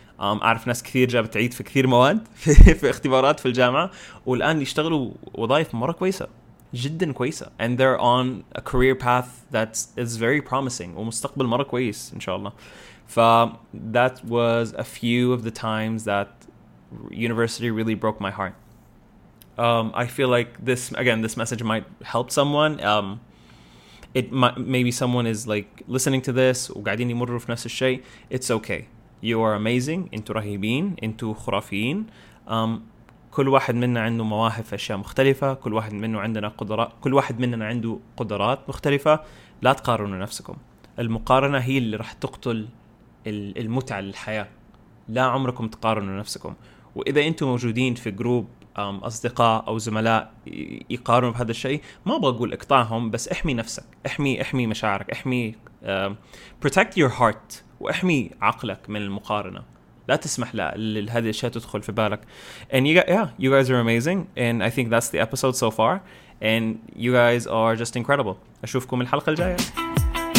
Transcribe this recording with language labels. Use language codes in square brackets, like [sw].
[ar] اعرف ناس كثير جابت عيد في كثير مواد في اختبارات في الجامعه، والان يشتغلوا وظايف مره كويسه جدا كويسه، [en] and they're on a career path that is very promising، [ar] ومستقبل مره كويس ان شاء الله. [en] ف that was a few of the times that university really broke my heart. I feel like this, again, this message might help someone. It might, maybe someone is like listening to this [ar] وقاعدين يمروا في نفس الشيء. [en] It's okay. You are amazing. [ar] انتو رهيبين. انتو خرافيين. كل واحد منا عنده مواهب أشياء مختلفة. كل واحد منا عندنا قدرات. كل واحد منا عنده قدرات مختلفة. لا تقارنوا نفسكم. المقارنة هي اللي راح تقتل المتعة للحياة. لا عمركم تقارنوا نفسكم. وإذا أنتم موجودين في جروب أصدقاء أو زملاء يقارنوا بهذا الشيء، ما بقول اقطعهم، بس احمي نفسك، احمي مشاعرك، احمي [en] protect your heart [ar] واحمي عقلك من المقارنة. لا تسمح لهذه الأشياء تدخل في بالك. [en] And you guys, yeah, you guys are amazing. And I think that's the episode so far. And you guys are just incredible. [ar] أشوفكم الحلقة الجاية.